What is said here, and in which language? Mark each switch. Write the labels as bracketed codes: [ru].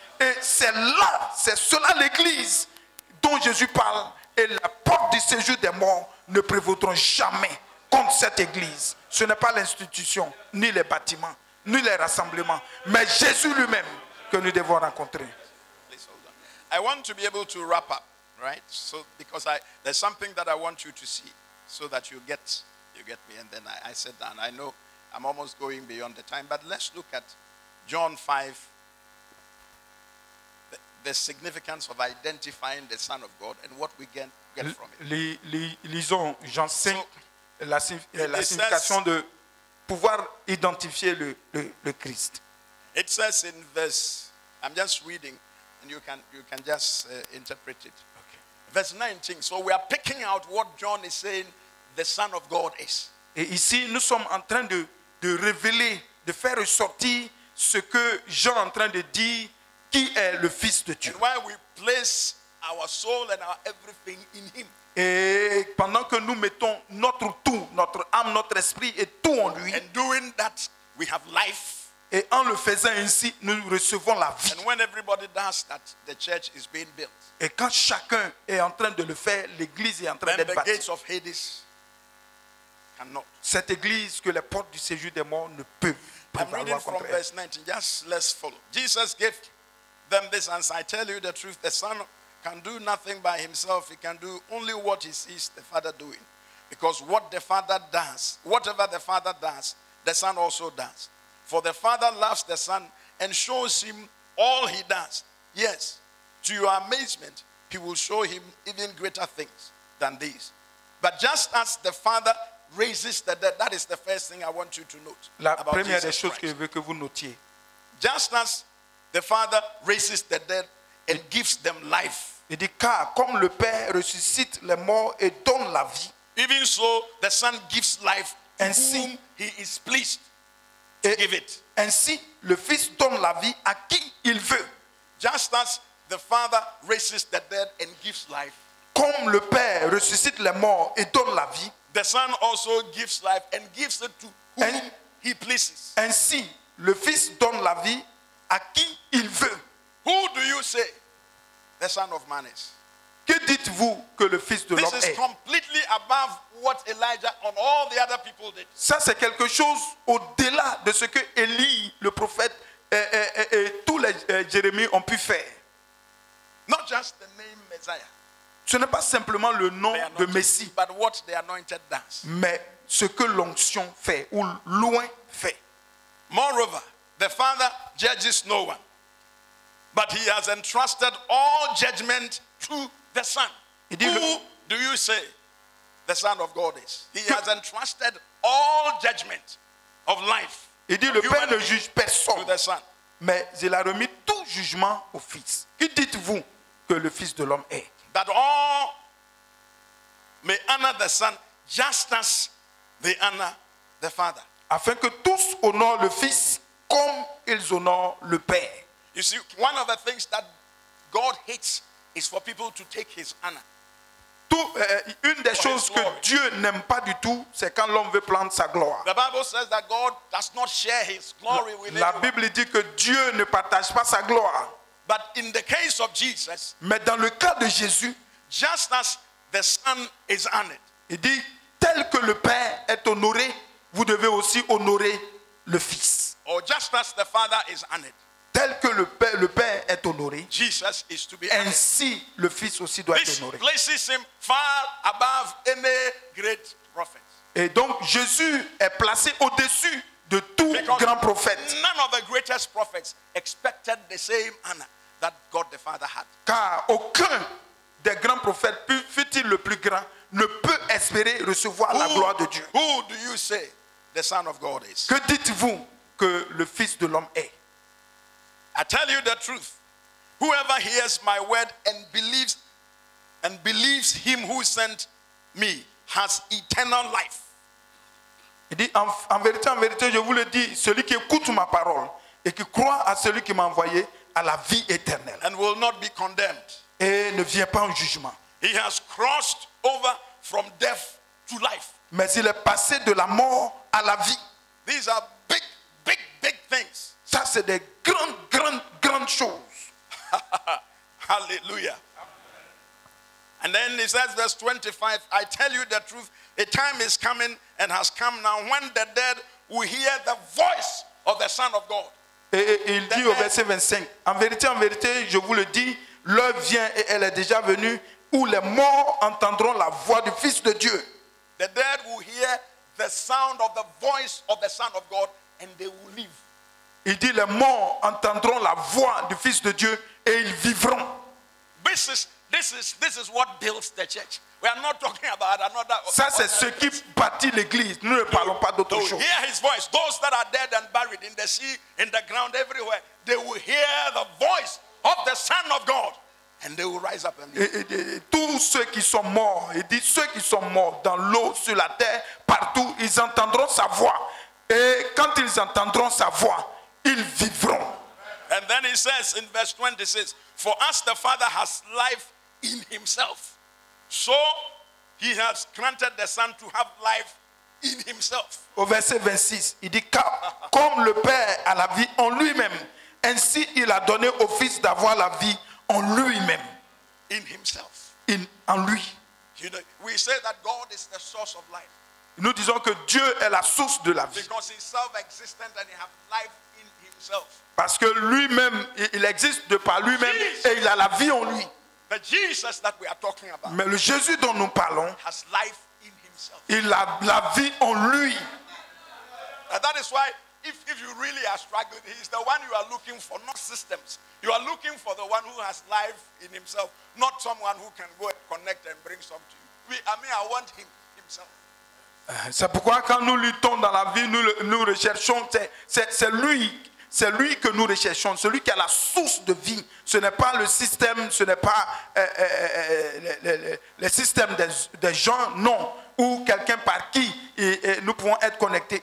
[fr] Et c'est là, c'est cela l'église dont Jésus parle. Et la porte du séjour des morts ne prévaudront jamais contre cette église. Ce n'est pas l'institution, ni les bâtiments, ni les rassemblements, mais Jésus lui-même que nous devons rencontrer. [en] I want to be able to wrap up, right? So because there's something that I want you to see, so that you get me, and then I sit down. I know I'm almost going beyond the time, but let's look at John 5, the significance of identifying the Son of God and what we can get from it. [fr] Lisons Jean 5, la signification de pouvoir identifier le Christ. [en] It says in verse, I'm just reading, and you can just interpret it. Okay. Verse 19, so we are picking out what John is saying the Son of God is. [fr] Et ici, nous sommes en train de révéler, de faire ressortir ce que Jean est en train de dire, qui est le Fils de Dieu. [en] And why we place our soul and our everything in him. [fr] Et pendant que nous mettons notre tout, notre âme, notre esprit et tout en lui, [en] and doing that, we have life. [fr] Et en le faisant ainsi, nous recevons la vie. [en] And when everybody does that, the church is being built. [fr] Et quand chacun est en train de le faire, l'église est en train d'être bâtie. [en] The gates of Hades cannot. [fr] Cette église que les portes du séjour des morts ne peuvent prévaloir contre elle. [en] I'm reading from verse 19. Just let's follow. Jesus gave them this answer. I tell you the truth, the Son can do nothing by himself. He can do only what he sees the Father doing. Because what the Father does, whatever the Father does, the Son also does. For the Father loves the Son and shows him all he does. Yes, to your amazement, he will show him even greater things than these. But just as the Father raises the dead, that is the first thing I want you to note. [fr] La première des choses que je veux que vous notiez. [en] Just as the Father raises the dead and gives them life. [fr] Il dit car comme le Père ressuscite les morts et donne la vie. [en] Even so, the Son gives life ainsi, to whom he is pleased to give it. [fr] Ainsi, le Fils donne la vie à qui il veut. [en] Just as the Father raises the dead and gives life. [fr] Comme le Père ressuscite les morts et donne la vie. [en] The Son also gives life and gives it to whom he pleases. [fr] Ainsi, le Fils donne la vie à qui il veut. [en] Who do you say the Son of Man is? [fr] Que dites-vous que le Fils de l'homme est? [en] This is completely above what Elijah and all the other people did. [fr] Ça c'est quelque chose au-delà de ce que Élie, le prophète, et tous les Jérémie ont pu faire. [en] Not just the name Messiah. [fr] Ce n'est pas simplement le nom de Messie, [en] but what the anointed does. [fr] Mais ce que l'onction fait ou loin fait. [en] Moreover, the Father judges no one, but he has entrusted all judgment to the Son. Who do you say the Son of God is? He has entrusted all judgment of life. [fr] Il dit le Père ne juge personne, mais il a remis tout jugement au Fils. Qui dites-vous que le Fils de l'homme est? [en] That all may honor the Son just as they honor the Father. [fr] Afin que tous honorent le Fils comme ils honorent le Père. [en] You see, one of the things that God hates is for people to take his honor. [fr] Une des choses que Dieu n'aime pas du tout, c'est quand l'homme veut prendre sa gloire. [en] The Bible says that God does not share his glory with [fr] anyone. La Bible dit que Dieu ne partage pas sa gloire. [en] But in the case of Jesus, [fr] mais dans le cas de Jésus, [en] just as the Son is honored, [fr] il dit, tel que le Père est honoré, vous devez aussi honorer le Fils. [en] Or just as the Father is honored, [fr] tel que le Père est honoré, [en] Jesus is to be [fr] ainsi le Fils aussi doit [en] this [fr] être honoré. [en] Places him far above any great prophet. [fr] Et donc Jésus est placé au-dessus de tout [en] because [fr] grand prophète. [en] None of the greatest prophets expected the same honor that God the Father had. [fr] Car aucun des grands prophètes, fût-il le plus grand, ne peut espérer recevoir la gloire de Dieu. [en] Who do you say the Son of God is? [fr] Que dites-vous que le Fils de l'homme est? [en] I tell you the truth. Whoever hears my word and believes him who sent me has eternal life. [fr] Il dit, en vérité, je vous le dis, celui qui écoute ma parole et qui croit à celui qui m'a envoyé a la vie éternelle. [en] And will not be condemned. [fr] Et ne vient pas en jugement. [en] He has crossed over from death to life. [fr] Mais il est passé de la mort à la vie. [en] These are big, big, big things. [fr] Ça, c'est des grandes, grandes, grandes choses. [en] Hallelujah. And then he says, verse 25, I tell you the truth, a time is coming and has come now when the dead will hear the voice of the Son of God. [fr] Et il dit au verset 25, en vérité, je vous le dis, l'heure vient et elle est déjà venue où les morts entendront la voix du Fils de Dieu. [en] The dead will hear the sound of the voice of the Son of God and they will live. [fr] Il dit, les morts entendront la voix du Fils de Dieu et ils vivront. [en] This is what builds the church. We are not talking about another. [fr] Ça, c'est ce qui bâtit l'église. Nous ne parlons pas d'autre chose. [en] Hear his voice. Those that are dead and buried in the sea, in the ground, everywhere, they will hear the voice of the Son of God and they will rise up and live. [fr] Et tous ceux qui sont morts, il dit, ceux qui sont morts dans l'eau, sur la terre, partout, ils entendront sa voix. Et quand ils entendront sa voix, ils vivront. [en] And then he says in verse 26, for as the Father has life in himself, so he has granted the Son to have life in himself. [fr] Au verset 26, il dit, comme le Père a la vie en lui-même, ainsi il a donné au Fils d'avoir la vie en lui-même. [en] In himself. [fr] En lui. [en] You know, we say that God is the source of life. [fr] Nous disons que Dieu est la source de la vie. [en] Because he's self-existent and he has life in himself. [fr] Parce que lui-même, il existe de par lui-même et il a la vie en lui. [en] The Jesus that we are talking about. [fr] Mais le Jésus dont nous parlons, [en] has life in himself. [fr] Il a la vie en lui. [en] And that is why if you really are struggling, he is the one you are looking for, not systems. You are looking for the one who has life in himself, not someone who can go and connect and bring some to you. I want him himself. [fr] C'est pourquoi quand nous luttons dans la vie, nous recherchons, c'est lui que nous recherchons, celui qui a la source de vie. Ce n'est pas le système, ce n'est pas le système des gens, non, ou quelqu'un par qui nous pouvons être connectés.